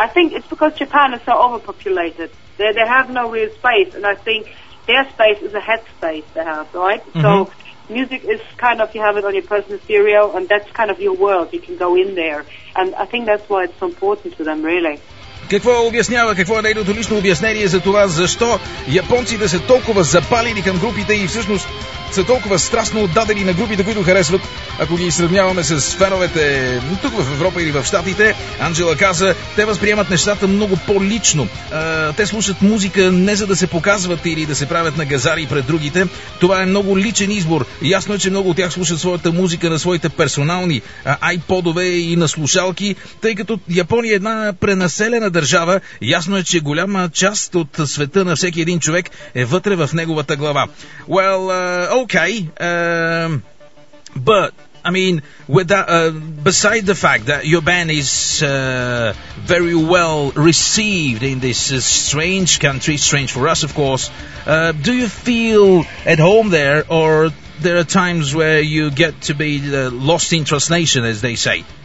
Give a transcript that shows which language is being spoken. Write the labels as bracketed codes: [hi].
[en] I think it's because Japan is so overpopulated. They have no real space, and I think their space is a head space they have, right? Mm-hmm. So music is kind of, you have it on your personal stereo, and that's kind of your world. You can go in there. And I think that's why it's so important to them, really. [bg] Какво обяснява, какво е нейното лично обяснение за това, защо японците са толкова запалени към групите и всъщност са толкова страстно отдадени на групите, които харесват, ако ги сравняваме с феновете тук в Европа или в Штатите. Анджела каза, те възприемат нещата много по-лично. Те слушат музика не за да се показват или да се правят на газари пред другите. Това е много личен избор. Ясно е, че много от тях слушат своята музика на своите персонални айподове и на слушалки, тъй като Япония е една пренаселена държава. Ясно е, че голяма част от света на всеки един човек е вътре в неговата глава. [en] Well, okay, but I mean, with that, beside the fact that your band is very well received in this strange country, strange for us, of course, do you feel at home there, or there are times where you get to be lost in translation, as they say?